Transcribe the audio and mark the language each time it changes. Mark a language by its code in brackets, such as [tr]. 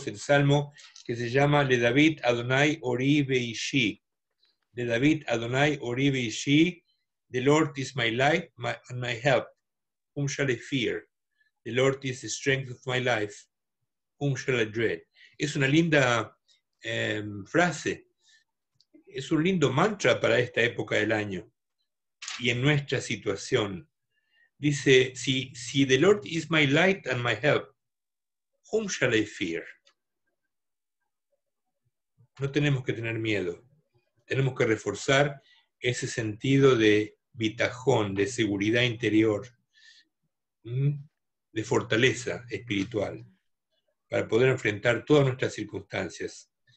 [es] Es el salmo que se llama Le David Adonai Ori Veishi. [he] Le David Adonai Ori Veishi. [en] The Lord is my light and my help. Whom shall I fear? The Lord is the strength of my life. Whom shall I dread? [es] Es una linda frase. Es un lindo mantra para esta época del año y en nuestra situación. Dice, si [en] the Lord is my light and my help, whom shall I fear? [es] No tenemos que tener miedo. Tenemos que reforzar ese sentido de bitajón, de seguridad interior, de fortaleza espiritual, para poder enfrentar todas nuestras circunstancias.